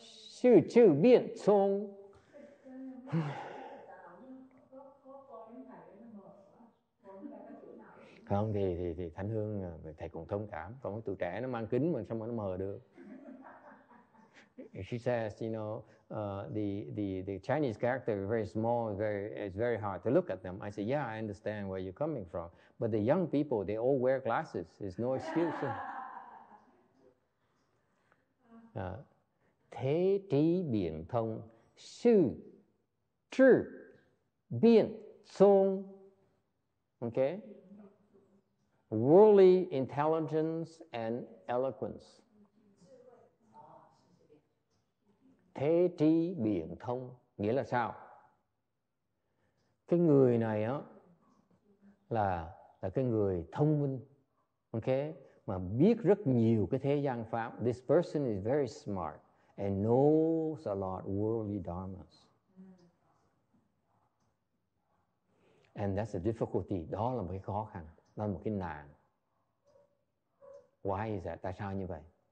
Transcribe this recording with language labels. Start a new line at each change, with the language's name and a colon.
Vietnamese: Sư chư biện chung. Không thì Thánh Hương, thầy cũng thông cảm. Còn tụi trẻ nó mang kính mà sao mà nó mờ được.
English: She says, you know, the Chinese character is very small, it's very hard to look at them. I say, yeah, I understand where you're coming from. But the young people, they all wear glasses. There's no excuse.
Vietnamese: Thế trí biển thông, sư trư biển thông. Okay?
English: Worldly intelligence and eloquence.
Vietnamese: Thế trí biển thông nghĩa là sao? Cái người này á là cái người thông minh. Okay? Mà biết rất nhiều cái thế gian pháp.
English: This person is very smart and knows a lot worldly dharmas. And that's a difficulty.
Vietnamese: Đó là một cái khó khăn. Đó là một cái nạn.
English: Why is that?
Vietnamese: Tại sao như vậy?